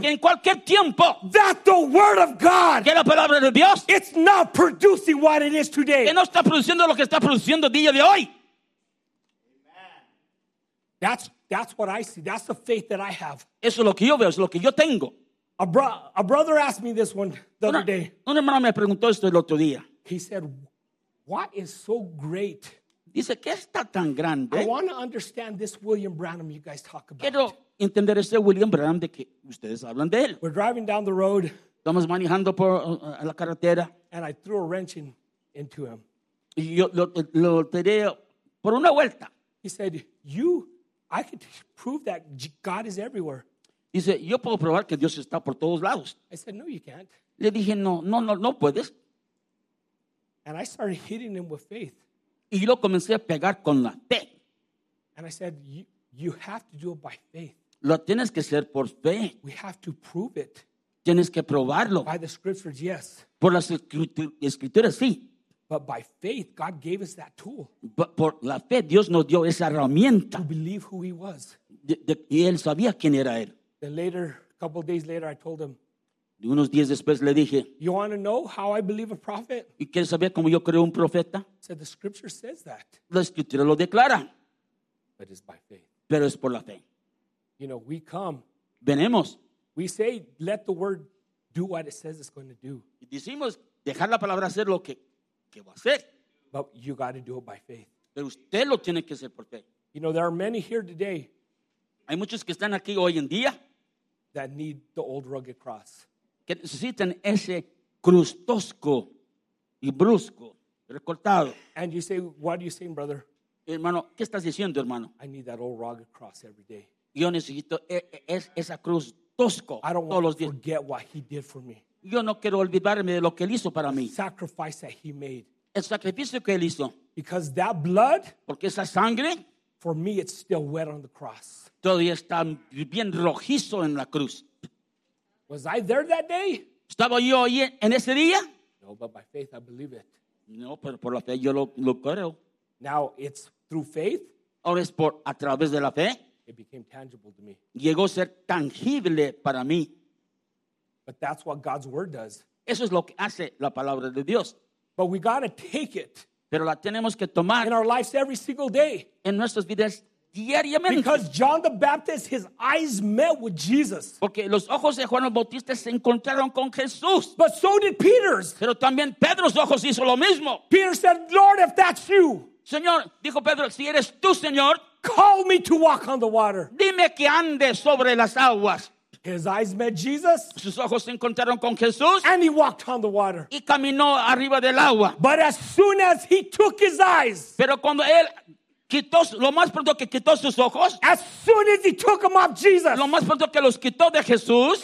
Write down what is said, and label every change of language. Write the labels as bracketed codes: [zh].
[es] Que en cualquier tiempo. [en] That the word of God. [es] Que la palabra de Dios. [en] It's not producing what it is today. [es] Que no está produciendo lo que está produciendo día de hoy. [en] That's what I see. That's the faith that I have. [es] Eso es lo que yo veo. Es lo que yo tengo. [en] A brother asked me this one the other day. [es] Un hermano me preguntó esto el otro día. [en] He said, "What is so great?" [es] Dice, ¿qué está tan grande? [en] I want to understand this William Branham you guys talk about. [es] Quiero entender ese William Branham de que ustedes hablan de él. [en] We're driving down the road. [es] Estamos manejando por la carretera. [en] And I threw a wrench into him. [es] Y yo lo tiré por una vuelta. [en] He said, "You." I could prove that God is everywhere. [es] Dice, yo puedo probar que Dios está por todos lados. [en] I said, no, you can't. [es] Le dije, no puedes. [en] And I started hitting him with faith. [es] Y lo comencé a pegar con la fe. [en] And I said, you have to do it by faith. [es] Lo tienes que hacer por fe. [en] We have to prove it. [es] Tienes que probarlo. [en] By the scriptures, yes. [es] Por las escrituras, sí. [en] But by faith, God gave us that tool. [es] But por la fe, Dios nos dio esa herramienta. [en] To believe who he was. [es] Y él sabía quién era él. [en] Then later, a couple of days later, I told him. [es] Y unos días después le dije. [en] You want to know how I believe a prophet? [es] ¿Y quieres saber cómo yo creo un profeta? [en] I said, the scripture says that. [es] La escritura lo declara. [en] But it's by faith. [es] Pero es por la fe. [en] You know, we come. [es] Venemos. [en] We say, let the word do what it says it's going to do. [es] Y decimos, dejar la palabra hacer lo que... ¿Qué va a hacer? [en] But you got to do it by faith. [es] Pero usted lo tiene que hacer por fe. [en] You know, there are many here today. [es] Hay muchos que están aquí hoy en día. [en] That need the old rugged cross. [es] Que necesitan ese cruz tosco y brusco, recortado. [en] And you say, what are you saying, brother? [es] Hermano, ¿qué estás diciendo, hermano? [en] I need that old rugged cross every day. [es] Yo necesito esa cruz tosco todos los días. [en] I don't want to forget what he did for me. [es] Yo no quiero olvidarme de lo que él hizo para mí. [en] Sacrifice that he made. [es] El sacrificio que él hizo. [en] Because that blood. [es] Porque esa sangre. [en] For me, it's still wet on the cross. [es] Todavía está bien rojizo en la cruz. [en] Was I there that day? [es] ¿Estaba yo ahí en ese día? [en] No, but by faith, I believe it. [es] No, pero por la fe yo lo creo. [en] Now, it's through faith. [es] Ahora es por a través de la fe. [en] It became tangible to me. [es] Llegó a ser tangible para mí. [en] But that's what God's word does. [es] Eso es lo que hace la palabra de Dios. [en] But we got to take it. [es] Pero la tenemos que tomar. [en] In our lives every single day. [es] En nuestras vidas diariamente. [en] Because John the Baptist, his eyes met with Jesus. [es] Porque los ojos de Juan el Bautista se encontraron con Jesús. [en] But so did Peter's. [es] Pero también Pedro's ojos hizo lo mismo. [en] Peter said, Lord, if that's you. [es] Señor, dijo Pedro, si eres tú, Señor, [en] call me to walk on the water. [es] Dime que ande sobre las aguas. [en] His eyes met Jesus. [es] Sus ojos se encontraron con Jesús. [en] And he walked on the water. [es] Y caminó arriba del agua. [en] But as soon as he took his eyes. [es] Pero cuando él quitó, lo más pronto que quitó sus ojos. [en] As soon as he took them off Jesus. [es] Lo más pronto que los quitó de Jesús.